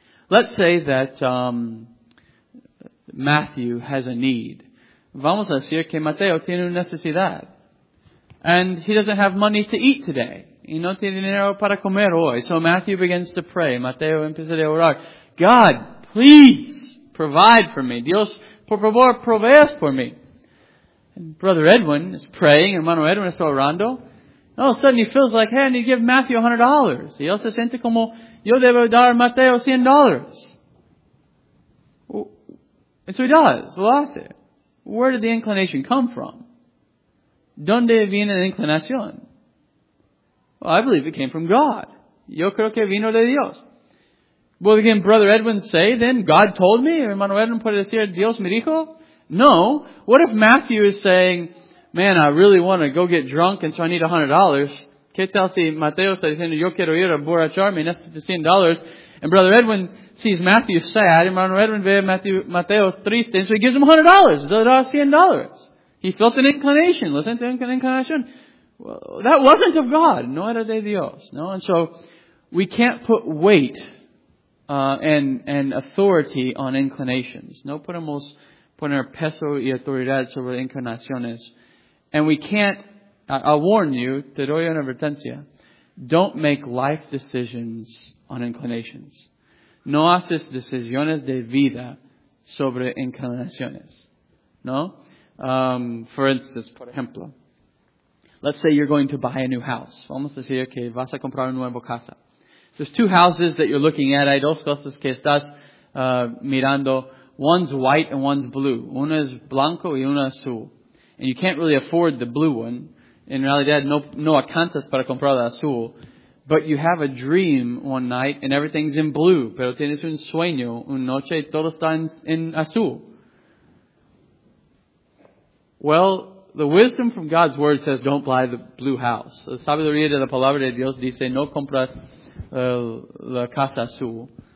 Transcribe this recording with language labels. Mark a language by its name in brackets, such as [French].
[English] Let's say that Matthew has a need. [Spanish] Vamos a decir que Mateo tiene una necesidad. [English] And he doesn't have money to eat today. [Spanish] Y no tiene dinero para comer hoy. [English] So Matthew begins to pray. [Spanish] Mateo empieza a orar. [English] God, please provide for me. [Spanish] Dios, por favor, proveas por mí. [English] And Brother Edwin is praying. [Spanish] Hermano Edwin está orando. [English] And all of a sudden he feels like, hey, I need to give Matthew $100. [Spanish] Y él se siente como, yo debo dar Mateo $100. [English] And so he does. [Spanish] Lo hace. [English] Where did the inclination come from? [Spanish] ¿Dónde viene la inclinación? [English] Well, I believe it came from God. [Spanish] Yo creo que vino de Dios. [English] Well, again, Brother Edwin say, then God told me? [Spanish] Hermano Edwin puede decir, Dios me dijo? No. [English] What if Matthew is saying, man, I really want to go get drunk and so I need $100. [Spanish] ¿Qué tal si Mateo está diciendo, yo quiero ir a borracharme y necesito $100? [English] And Brother Edwin sees Matthew sad, and Brother Edwin [Spanish] ve a Mateo triste, [English] and so he gives him $100. [Spanish] Da da $100. [English] He felt an inclination. Listen to an inclination. Well, that wasn't of God. [Spanish] No era de Dios. No? [English] And so, we can't put weight, and authority on inclinations. [Spanish] No podemos poner peso y autoridad sobre inclinaciones. [English] And we can't, I'll warn you, [Spanish] te doy una advertencia, [English] don't make life decisions on inclinations. [Spanish] No haces decisiones de vida sobre inclinaciones. No? [English] For instance, [Spanish] por ejemplo, [English] let's say you're going to buy a new house. [Spanish] Vamos a decir que vas a comprar una nueva casa. [English] There's two houses that you're looking at. [Spanish] Hay dos cosas que estás mirando. [English] One's white and one's blue. [Spanish] Una es blanco y una azul. [English] And you can't really afford the blue one. [Spanish] In realidad, no alcanzas para comprar la azul. [English] But you have a dream one night and everything's in blue. [Spanish] Pero tienes un sueño, una noche y todo está en azul. [English] Well, the wisdom from God's word says don't buy the blue house. [Spanish] La sabiduría de la palabra de Dios dice no compras la casa azul.